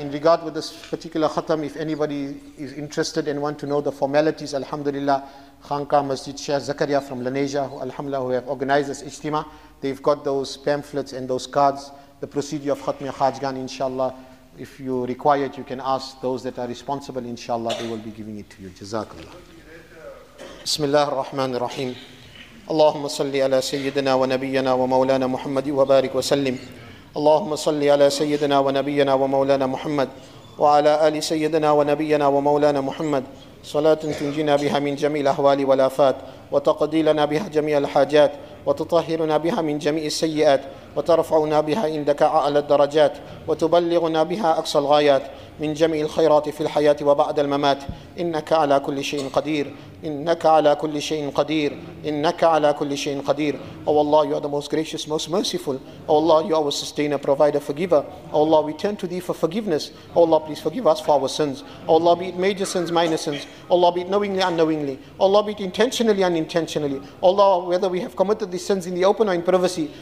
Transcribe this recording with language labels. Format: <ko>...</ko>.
<en>In regard with this particular khatam, if anybody is interested and want to know the formalities, alhamdulillah, Khanka Masjid Shah Zakaria from Lanesia, who, alhamdulillah, who have organized this ijtima, they've got those pamphlets and those cards, the procedure of khatmi khajgan, inshallah. If you require it, you can ask those that are responsible, inshallah, they will be giving it to you. Jazakallah.</en> <ar>بسم الله الرحمن الرحيم اللهم صل على سيدنا ونبينا ومولانا محمد وبارك وسلم اللهم صل على سيدنا ونبينا ومولانا محمد وعلى آل سيدنا ونبينا ومولانا محمد صلاة تنجينا بها من جميع الأهوال والآفات وتقضي لنا بها جميع الحاجات وتطهرنا بها من جميع السيئات وترفعنا بها عندك أعلى الدرجات وتبلغنا بها أقصى الغايات من جميع الخيرات في الحياة وبعد الممات إنك على كل شيء قدير إنك على كل شيء قدير إنك على كل شيء قدير.</ar> <en>Oh Allah, you are the most gracious, most merciful. Oh Allah, you are our sustainer, provider, forgiver. Oh Allah, we turn to thee for forgiveness. Oh Allah, please forgive us for our sins. Oh Allah, be it major sins, minor sins. Oh Allah, be it knowingly, unknowingly. Oh Allah, be it intentionally, unintentionally. Oh Allah, whether we have committed these sins in the open or in privacy.</en>